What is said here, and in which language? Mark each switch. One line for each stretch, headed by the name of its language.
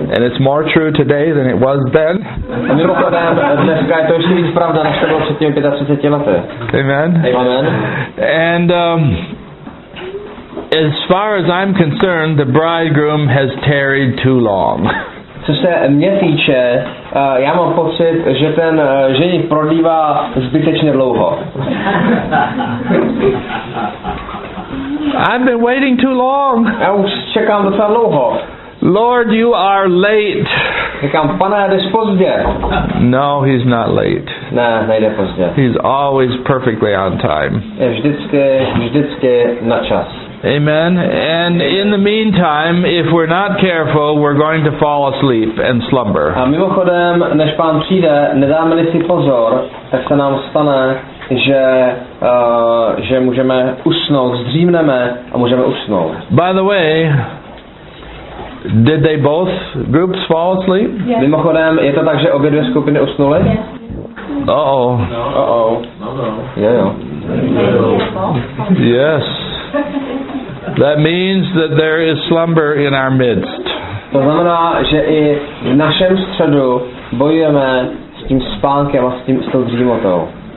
English: And it's more true today than it was then.
Czech: A mimochodem, dneska je to ještě víc pravda, než to bylo před těmi 35 lety. Amen. Amen.
English: And as far as I'm concerned, the bridegroom has tarried too long.
Czech: Co se mě týče, já mám pocit, že ten ženich prodlívá zbytečně dlouho.
English: I've been waiting too long.
Czech: Já už čekám docela dlouho.
English: Lord, you are late.
Czech: Říkám, pane, jdeš pozdě.
English: No, he's not late.
Czech: Ne, nejde pozdě.
English: He's always perfectly on time.
Czech: Je vždycky na čas. Amen.
English: And in the meantime, if we're not careful, we're going to fall asleep and slumber.
Czech: A mimochodem, než pán přijde, nedáme-li si pozor, tak se nám stane, že můžeme usnout, zdřímneme a můžeme usnout.
English: By the way, did they both groups fall asleep? Yes.
Czech: Mimochodem, je to tak, že obě dvě skupiny usnuly?
English: Yes. Uh-oh. No. Uh-oh. No. Yeah. No. Yes. That means that there is slumber in our midst.
Czech: To znamená, že i v našem středu bojujeme s tím spánkem a s tou dřímotou.